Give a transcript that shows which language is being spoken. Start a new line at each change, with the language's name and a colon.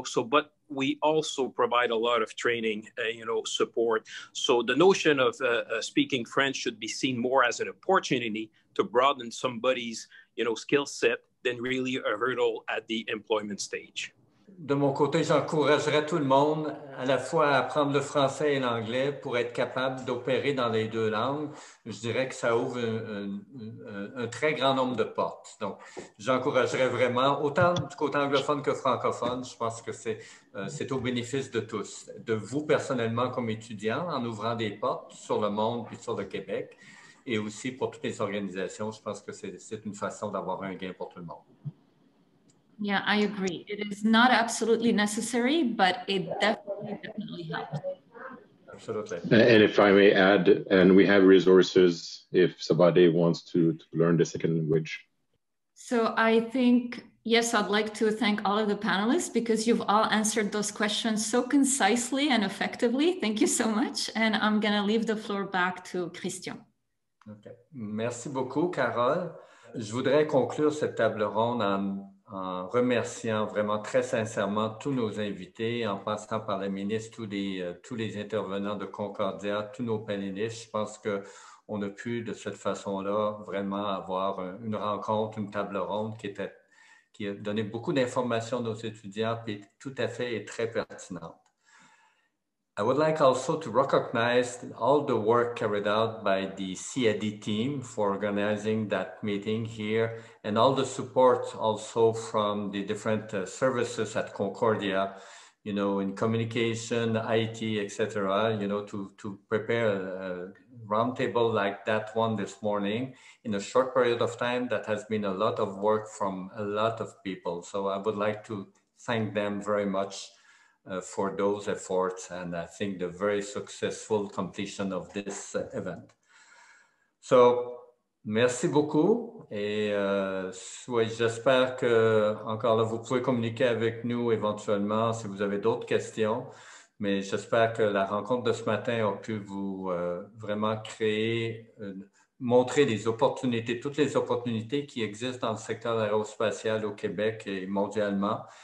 English: But we also provide a lot of training, support. So the notion of speaking French should be seen more as an opportunity to broaden somebody's, skill set than really a hurdle at the employment stage.
French: De mon côté, j'encouragerais tout le monde à la fois à apprendre le français et l'anglais pour être capable d'opérer dans les deux langues. Je dirais que ça ouvre un très grand nombre de portes. Donc, j'encouragerais vraiment, autant du côté anglophone que francophone, je pense que c'est au bénéfice de tous, de vous personnellement comme étudiant, en ouvrant des portes sur le monde et sur le Québec, et aussi pour toutes les organisations. Je pense que c'est une façon d'avoir un gain pour tout le monde.
English: Yeah, I agree. It is not absolutely necessary, but it definitely helps. Absolutely. And if I may add, and we have resources if somebody wants to learn the second language. So I think, yes, I'd like to thank all of the panelists because you've all answered those questions so concisely and effectively. Thank you so much. And I'm going to leave the floor back to Christian.
French: Okay. Merci beaucoup, Carole. Je voudrais conclure cette table ronde en remerciant vraiment très sincèrement tous nos invités, en passant par la ministre, tous les intervenants de Concordia, tous nos panélistes. Je pense qu'on a pu, de cette façon-là, vraiment avoir une rencontre, une table ronde qui a donné beaucoup d'informations à nos étudiants et tout à fait et très pertinente.
English: I would like also to recognize all the work carried out by the CAD team for organizing that meeting here and all the support also from the different services at Concordia, in communication, IT, etc., to prepare a roundtable like that one this morning in a short period of time. That has been a lot of work from a lot of people. So I would like to thank them very much for those efforts, and I think the very successful completion of this event.
French: So, merci beaucoup, j'espère que, encore là, vous pouvez communiquer avec nous éventuellement si vous avez d'autres questions, mais j'espère que la rencontre de ce matin a pu vous vraiment créer, montrer les opportunités, toutes les opportunités qui existent dans le secteur aérospatial au Québec et mondialement.